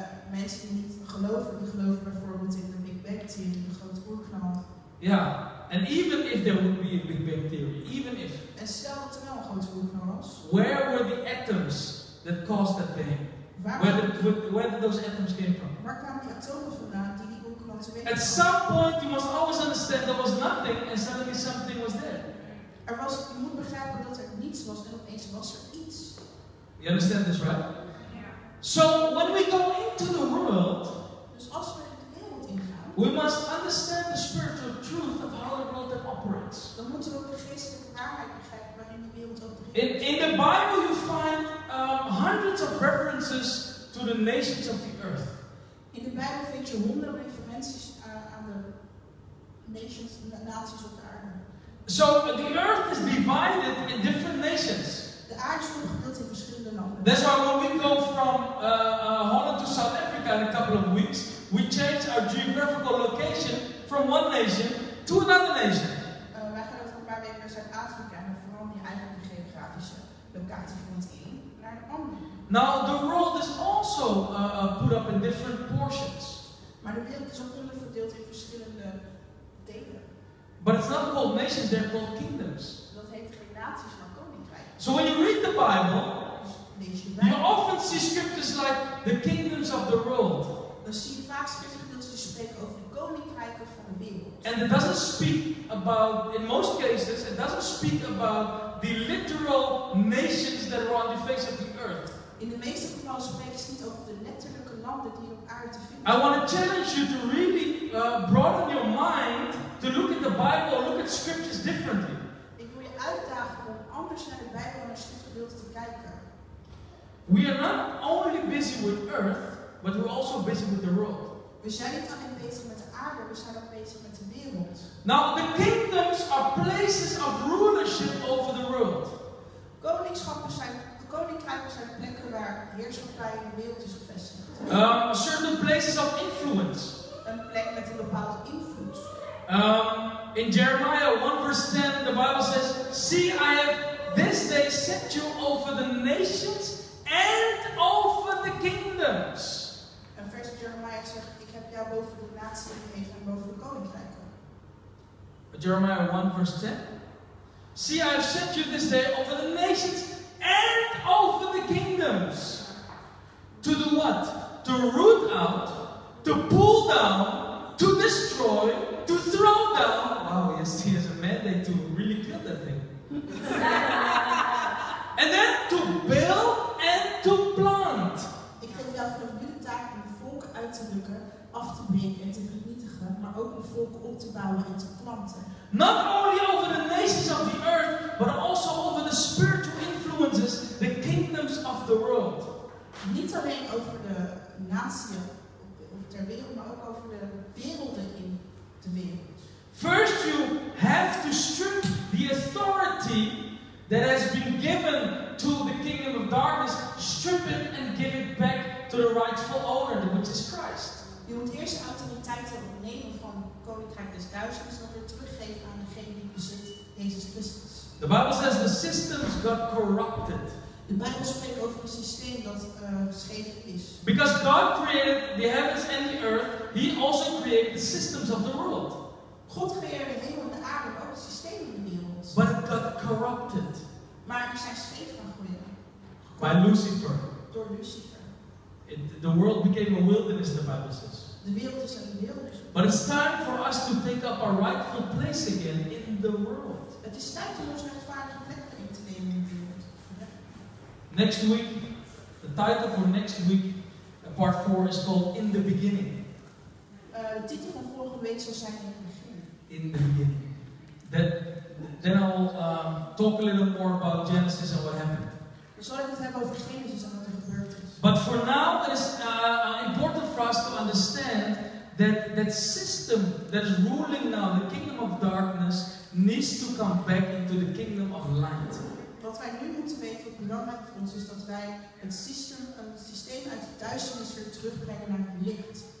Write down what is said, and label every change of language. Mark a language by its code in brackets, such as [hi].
[nl] Mensen die niet geloven, die geloven bijvoorbeeld in de Big Bang theory, de grote oerknal. [en] Yeah, and even if there would be a Big Bang theory, even if. [nl] En stel dat er wel een grote oerknal was. [en] Where were the atoms that caused that thing? Where did those atoms came from? [nl] Waar kwamen die atomen vandaan? [en] At some point you must always understand there was nothing and suddenly something was there. [nl] Er was, je moet begrijpen dat er niets was en opeens was er iets. [en] You understand this, right? Yeah. So when we go into the world, [nl] dus als we in de wereld ingaan, [en] we must understand the spiritual truth of how the world operates. [nl] Dan moeten we ook de geestelijke waarheid begrijpen waarin de wereld opereert. [en] In the Bible you find hundreds of references to the nations of the earth. [nl] In de Bijbel vind je honderden referenties aan de nations, de naties op de aarde. [en] So the earth is divided in different nations. [nl] De aarde is opgedeeld in verschillende landen. [en] That's why when we go from Holland to South Africa in a couple of weeks, we change our geographical location from one nation to another nation. [nl] Wij gaan over een paar weken naar Zuid-Afrika en verander je eigenlijk de geografische locatie van het een naar de ander. [en] Now the world is also put up in different portions. [nl] Maar de wereld is ook onderverdeeld in verschillende delen. [en] But it's not called nations, they're called kingdoms. [nl] Dat heet geen naties, maar koninkrijken. [en] So when you read the Bible, [nl] Bijbel, [en] you often see scriptures like the kingdoms of the world. [nl] Dan zie je vaak schriftgedeeltes die spreken over de koninkrijken van de wereld. [en] And it doesn't speak about, in most cases, it doesn't speak about the literal nations that are on the face of the earth. [nl] In de meeste gevallen spreken ze niet over de letterlijke landen die op aarde te vinden. [en] I want to challenge you to really broaden your mind to look at the Bible or look at scriptures differently. [nl] Ik wil je uitdagen om anders naar de Bijbel en de schriftgedeelten te kijken. [en] We are not only busy with earth, but we're also busy with the world. [nl] We zijn niet alleen bezig met de aarde, we zijn ook bezig met de wereld. [en] Now the kingdoms are places of rulership over the world. [nl] Koningschappen zijn koninkrijken zijn plekken waar heerschappij in de wereld is gevestigd. [en] Certain places of influence. [nl] Een plek met een bepaalde invloed. [en] In Jeremiah 1 verse 10 the Bible says, see I have this day set you over the nations and over the kingdoms. [nl] En vers Jeremiah zegt, ik heb jou boven de natie gegeven en boven de koninkrijken. [en] Jeremiah 1 verse 10. See I have set you this day over the nations and over the kingdoms. To do what? To root out, to pull down, to destroy, to throw down. Wow, yes, he has a mandate to really kill that thing. And then to build and to plant. [nl] Ik geef jou vanaf nu de taak om de volken uit te drukken, af te breken en te vernietigen, maar ook de volken op te bouwen en te planten. [en] Not only over the nations of the earth, but also over the spiritual influences, the kingdoms of the world. [nl] Niet alleen over de natie ter wereld, maar ook over de werelden in de wereld. [en] First you have to strip the authority that has been given to the kingdom of darkness, strip it and give it back to the rightful owner, which is Christ. [nl] Je moet eerst de autoriteit opnemen van koninkrijk des duisternis en dat weer teruggeven aan degene die bezit, Jezus Christus. [en] The Bible says the systems got corrupted. [nl] De Bijbel spreekt over een systeem dat scheef is. [en] Because God created the heavens and the earth, He also created the systems of the world. [nl] God creëerde de hemel en de aarde, maar ook het systeem in de wereld. [en] But it got corrupted. [nl] Maar er zijn scheef van geworden. [en] By Lucifer. [nl] Door Lucifer. [en] The world became a wilderness, the Bible says. [nl] De wereld is een wereld. [en] But it's time for us to take up our rightful place again in the world. [nl] Het is tijd om onze rechtvaardige plek in te nemen in de wereld. [en] Next week, the title for next week, part 4, is called In the Beginning. [nl] De titel van volgende week zal zijn [en] In the Beginning. In the Beginning. Then I'll talk a little more about Genesis and what happened. [nl] Dan zal ik het hebben over Genesis en wat er gebeurd is. [en] But for now, it is important for us to understand that system that is ruling now, the kingdom of darkness, needs to come back into the kingdom of light. [nl] Wat wij nu moeten weten, wat belangrijk voor ons is, dat wij het systeem uit de duisternis weer terugbrengen naar het licht.